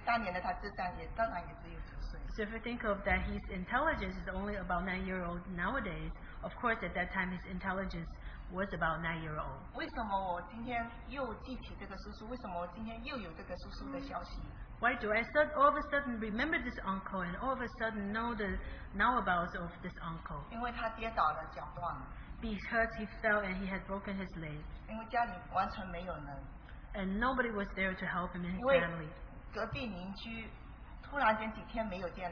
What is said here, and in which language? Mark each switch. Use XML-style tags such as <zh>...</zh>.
<zh>但是有没有想过,今天他的智商只有9岁,当年的他智商也当然也只有9岁。</zh> <en>So if you think of that, his intelligence is only about 9-year-old nowadays. Of course, at that time, his intelligence was about 9-year-old.</en> <zh>为什么我今天又记起这个叔叔?为什么我今天又有这个叔叔的消息?</zh> <en>Why do I all of a sudden remember this uncle and all of a sudden know the nowabouts of this uncle?</en> <zh>因为他跌倒了,脚断了。</zh> <en>Because he fell and he had broken his leg. And nobody was there to help him and his family.</en>